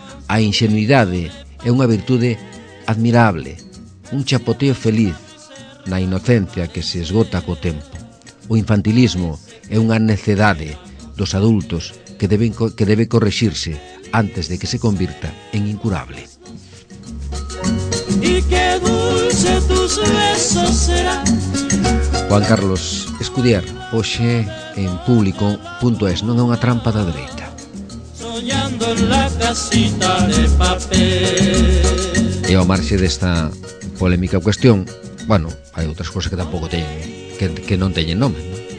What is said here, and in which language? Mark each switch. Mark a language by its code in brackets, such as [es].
[gl] A inxenuidade é unha virtude admirable, un chapoteo feliz na inocencia que se esgota co tempo. O infantilismo é unha necedade dos adultos que debe corrixirse antes de que se convirta en incurable. [es] Y qué dulce tus besos serán. [gl] Juan Carlos Escudier, hoxe en público.es, non é unha trampa da dereita. [es] Soñando en la casita de papel. [gl] E ao marxe desta polémica cuestión, bueno, hai outras cousas que tampouco teñen, que non teñen nome, ¿no?